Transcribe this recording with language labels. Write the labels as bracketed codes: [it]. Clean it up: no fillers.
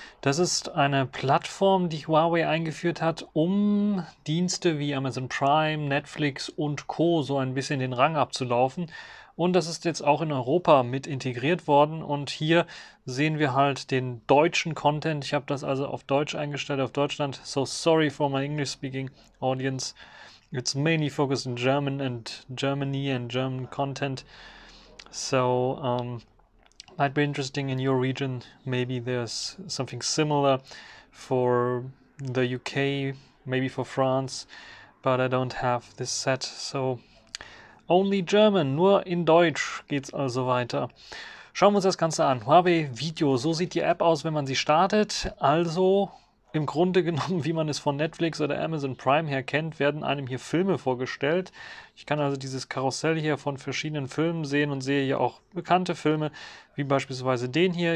[de] Das ist eine Plattform, die Huawei eingeführt hat, um Dienste wie Amazon Prime, Netflix und Co. so ein bisschen den Rang abzulaufen. Und das ist jetzt auch in Europa mit integriert worden. Und hier sehen wir halt den deutschen Content. Ich habe das also auf Deutsch eingestellt, auf Deutschland. [en] So sorry for my English-speaking audience. It's mainly focused in German and Germany and German content. So, might be interesting in your region. Maybe there's something similar for the UK, maybe for France, but I don't have this set. So, only German, [de] nur in Deutsch geht's also weiter. Schauen wir uns das Ganze an. Huawei Video, so sieht die App aus, wenn man sie startet. Also, im Grunde genommen, wie man es von Netflix oder Amazon Prime her kennt, werden einem hier Filme vorgestellt. Ich kann also dieses Karussell hier von verschiedenen Filmen sehen und sehe hier auch bekannte Filme, wie beispielsweise den hier.